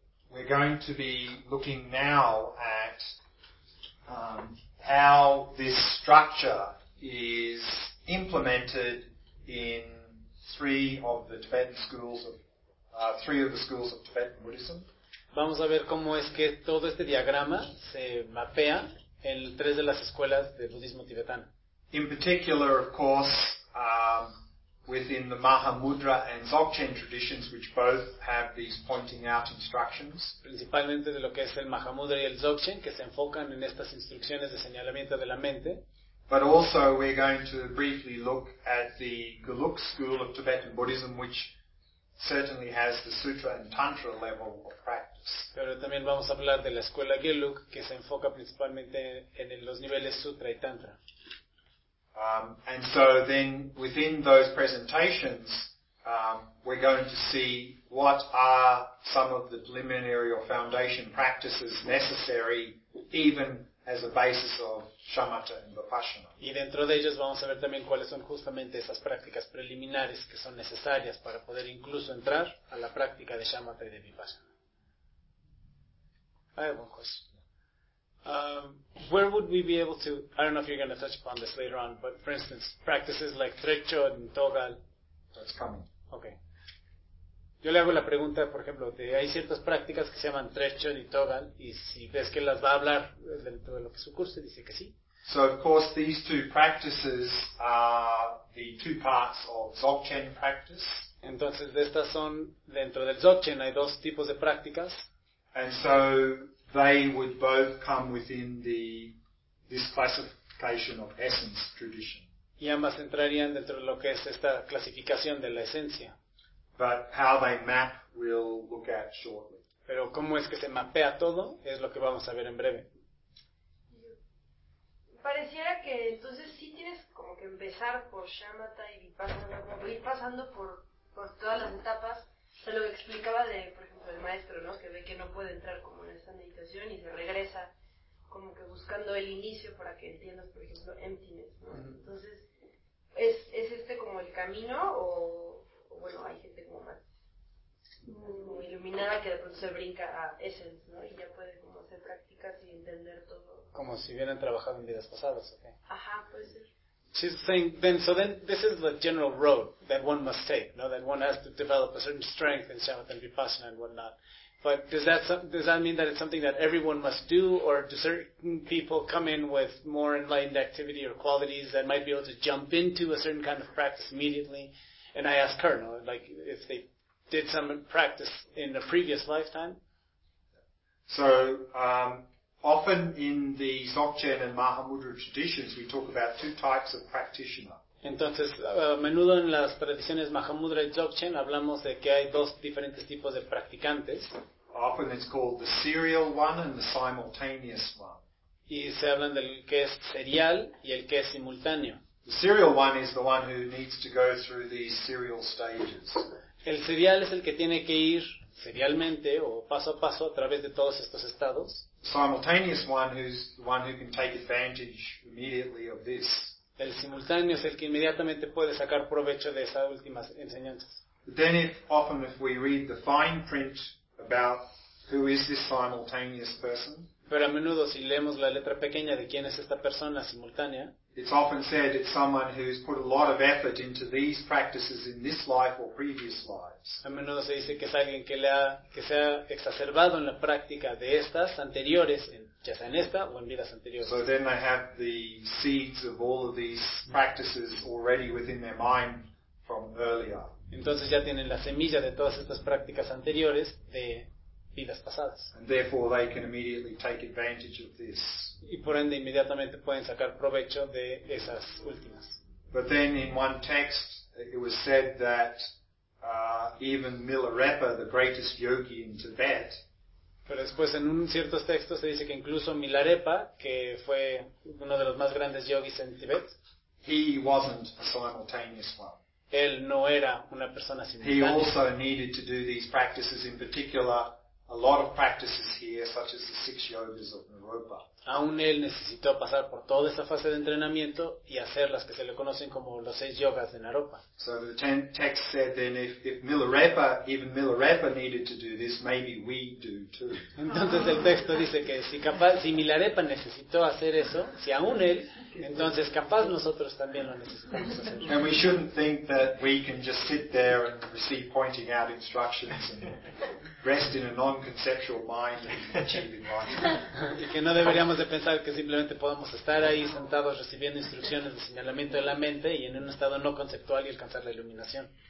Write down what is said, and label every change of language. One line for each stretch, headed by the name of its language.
English: We're going to be looking now at how this structure is implemented in three of the schools of Tibetan Buddhism.
Spanish: Vamos a ver cómo es que todo este diagrama se mapea en tres de las escuelas del budismo tibetano.
English: In particular, of course, within the Mahamudra and Dzogchen traditions, which both have these pointing out instructions.
Spanish: Principalmente de lo que es el Mahamudra y el Dzogchen, que se enfocan en estas instrucciones de señalamiento de la mente.
English: But also we're going to briefly look at the Gelug school of Tibetan Buddhism, which certainly has the sutra and tantra level of practice.
Spanish: Pero también vamos a hablar de la escuela Gelug, que se enfoca principalmente en los niveles sutra y tantra.
English: And so then within those presentations, we're going to see what are some of the preliminary or foundation practices necessary even as a basis of shamatha and vipassana.
Spanish: Y dentro de ellos vamos a ver también cuáles son justamente esas prácticas preliminares que son necesarias para poder incluso entrar a la práctica de shamatha y de vipassana.
English: I have one question. Where would we be able to, I don't know if you're going to touch upon this later on, but for instance, practices like Trecho and Togal. That's coming. Okay.
Spanish: Yo le hago la pregunta, por ejemplo, de hay ciertas prácticas que se llaman Trecho y Togal, y si ves que las va a hablar dentro de lo que es su curso, dice que sí.
English: So of course these two practices are the two parts of Dzogchen practice.
Spanish: Entonces estas son, dentro del Dzogchen hay dos tipos de prácticas.
English: And so they would both come within this classification of essence tradition.
Spanish: Y ambas entrarían dentro de lo que es esta clasificación de la esencia.
English: But how they map, we'll look at shortly.
Spanish: Pero cómo es que se mapea todo, es lo que vamos a ver en breve. Pareciera que entonces sí tienes como que empezar por shamatha y vipassana, como ir pasando por todas las etapas. O sea, lo que explicaba de, por ejemplo, el maestro, ¿no? Que ve que no puede entrar como en esta meditación y se regresa como que buscando el inicio para que entiendas, por ejemplo, emptiness, ¿no? Entonces, ¿es este como el camino o bueno, hay gente como más como iluminada que de pronto se brinca a essence, ¿no? Y ya puede como hacer prácticas y entender todo. Como si hubieran trabajado en vidas pasadas, ¿ok? Ajá, puede ser.
English: She's saying, then this is the general road that one must take, you know, that one has to develop a certain strength in shamatha and vipassana and whatnot. But does that mean that it's something that everyone must do, or do certain people come in with more enlightened activity or qualities that might be able to jump into a certain kind of practice immediately? And I ask her, you know, like, if they did some practice in a previous lifetime? So, often in the Dzogchen and Mahamudra traditions, we talk about two types of practitioner.
Spanish: Entonces, a menudo en las tradiciones Mahamudra y Dzogchen hablamos de que hay dos diferentes tipos de practicantes.
English: Often it's called the serial one and the simultaneous one.
Spanish: Y se hablan del que es serial y el que es simultáneo.
English: The serial one is the one who needs to go through these serial stages.
Spanish: El serial es el que tiene que ir serialmente o paso a paso a través de todos estos estados.
English: Simultaneous one, who's the one who can take advantage immediately of this.
Spanish: El simultáneo es el que inmediatamente puede sacar provecho de esas últimas enseñanzas.
English: Then if we read the fine print about who is this simultaneous person.
Spanish: Pero a menudo si leemos la letra pequeña de quién es esta persona simultánea.
English: It's often said it's someone who's put a lot of effort into these practices in this life or previous lives.
Spanish: A menudo se dice que es alguien que se ha exacerbado en la práctica de estas anteriores, ya sea en esta o en vidas anteriores.
English: So then they have the seeds of all of these practices already within their mind from earlier.
Spanish: Entonces ya tienen la semilla de todas estas prácticas anteriores de vidas pasadas.
English: And therefore they can immediately take advantage of this.
Spanish: Y por ende inmediatamente pueden sacar provecho de esas últimas.
English: But then in one text it was said that even Milarepa, the greatest yogi in Tibet.
Spanish: Pero después en un ciertos textos se dice que incluso Milarepa, que fue uno de los más grandes yogis en Tibet,
English: he wasn't a simultaneous one.
Spanish: Él no era una persona simultánea.
English: He also needed to do these practices, in particular, a lot of practices here, such as the six yogas of Naropa.
Spanish: Aún él necesitó pasar por toda esa fase de entrenamiento y hacer las que se le conocen como los seis yogas de Naropa.
English: So the text said then, if Milarepa, even Milarepa needed to do this, maybe we do too.
Spanish: Entonces el texto dice que si Milarepa necesitó hacer eso, si aún él, entonces capaz nosotros también lo necesitamos hacer.
English: And we shouldn't think that we can just sit there and receive pointing out instructions and rest in a non-conceptual mind and achieve enlightenment.
Spanish: Y que no deberíamos de pensar que simplemente podamos estar ahí sentados recibiendo instrucciones de señalamiento de la mente y en un estado no conceptual y alcanzar la iluminación.